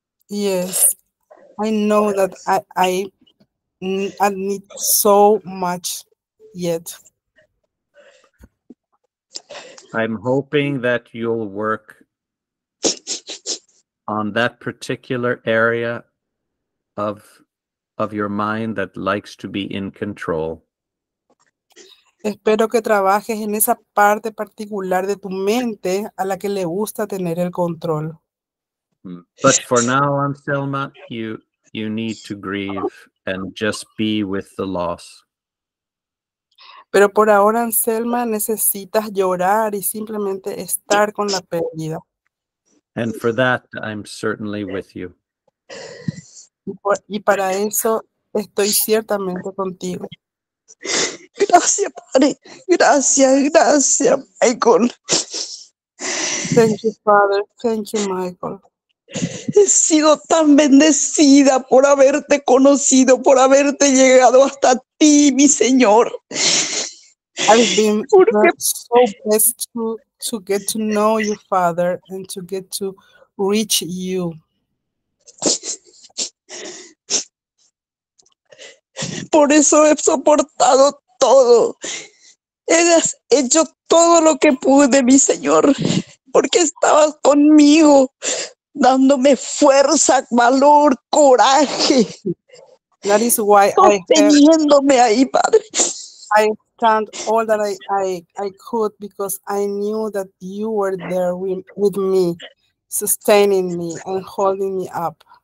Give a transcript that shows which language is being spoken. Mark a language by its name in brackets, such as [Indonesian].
[English] Yes, I know that I need so much yet. I'm hoping that you'll work on that particular area of your mind that likes to be in control. [Spanish] Espero que trabajes en esa parte particular de tu mente a la que le gusta tener el control. [English] But for now, Anselma, you need to grieve and just be with the loss. [Spanish] Pero por ahora, Anselma, necesitas llorar y simplemente estar con la pérdida. [English] And for that, I'm certainly with you. [Spanish] Y para eso estoy ciertamente contigo. Gracias, padre. Gracias, gracias, Michael. [English] Thank you, father. Thank you, Michael. [Spanish] He sido tan bendecida por haberte conocido, por haberte llegado hasta ti, mi señor. [English] I've been so blessed to get to know you, father, and to get to reach you. [Spanish] Por eso he soportado todo. He hecho todo lo que pude, mi Señor, porque estabas conmigo, dándome fuerza, valor, coraje. [English] That is why [Spanish] sosteniéndome ahí, Padre. [English] I stand all that I could, because I knew that you were there with me, sustaining me and holding me up.